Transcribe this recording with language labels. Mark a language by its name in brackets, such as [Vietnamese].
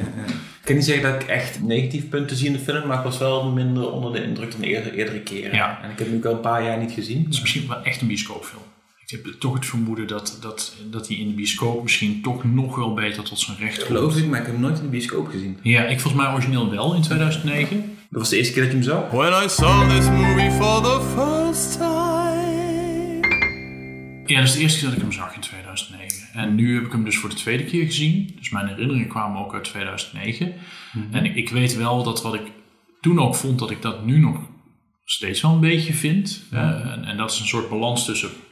[Dutch] Ik kan niet zeggen dat ik echt negatieve punten zie in de film, maar ik was wel minder onder de indruk dan eerdere keren. Ja. En ik heb hem ook al een paar jaar niet gezien. Het is misschien wel echt een bioscoopfilm. Ik heb toch het vermoeden dat hij in de bioscoop misschien toch nog wel beter tot zijn recht komt. Geloof ik, maar ik heb hem nooit in de bioscoop gezien. Ja, ik volgens mij origineel wel in 2009. Dat was de eerste keer dat je hem zag. [English] When I saw this movie for the first time. [Dutch] Ja, dat is de eerste keer dat ik hem zag in 2009. En nu heb ik hem dus voor de tweede keer gezien. Dus mijn herinneringen kwamen ook uit 2009. Mm-hmm. En ik weet wel dat wat ik toen ook vond, dat ik dat nu nog steeds wel een beetje vind. Mm-hmm. En dat is een soort balans tussen...